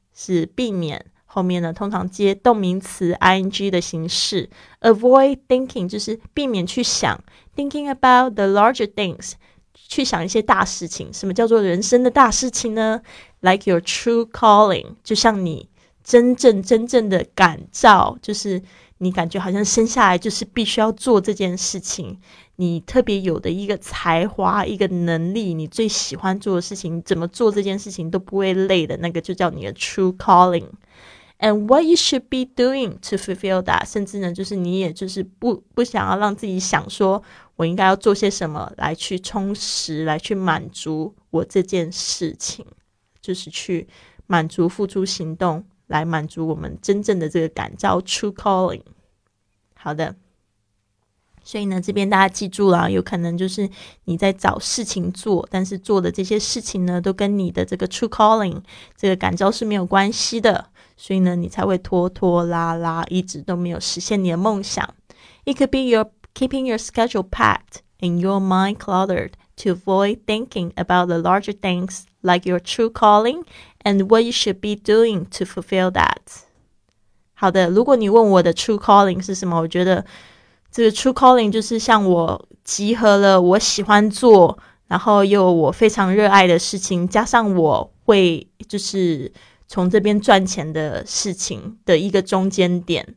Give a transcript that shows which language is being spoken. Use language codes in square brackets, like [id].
[zh] 是避免，后面呢通常接动名词 ing 的形式。 avoid thinking 就是避免去想， [en] thinking about the larger things [zh] 去想一些大事情。什么叫做人生的大事情呢？ [en] like your true calling [zh] 就像你真正的感召，就是你感觉好像生下来就是必须要做这件事情，你特别有的一个才华，一个能力，你最喜欢做的事情，怎么做这件事情都不会累的，那个就叫你的 true calling。 [en] And what you should be doing to fulfill that， [zh] 甚至呢就是你也就是 不想要让自己想说我应该要做些什么来去充实，来去满足我这件事情，就是去满足付出行动来满足我们真正的这个感召 true calling。好的，所以呢这边大家记住了，有可能就是你在找事情做，但是做的这些事情呢都跟你的这个 true calling 这个感召是没有关系的，所以呢你才会拖拖拉拉，一直都没有实现你的梦想。 [en] It could be you're keeping your schedule packed and your mind cluttered to avoid thinking about the larger things like your true calling and what you should be doing to fulfill that。 [zh] 好的，如果你问我的 true calling 是什么，我觉得这个 true calling 就是像我集合了我喜欢做，然后又我非常热爱的事情，加上我会就是从这边赚钱的事情的一个中间点。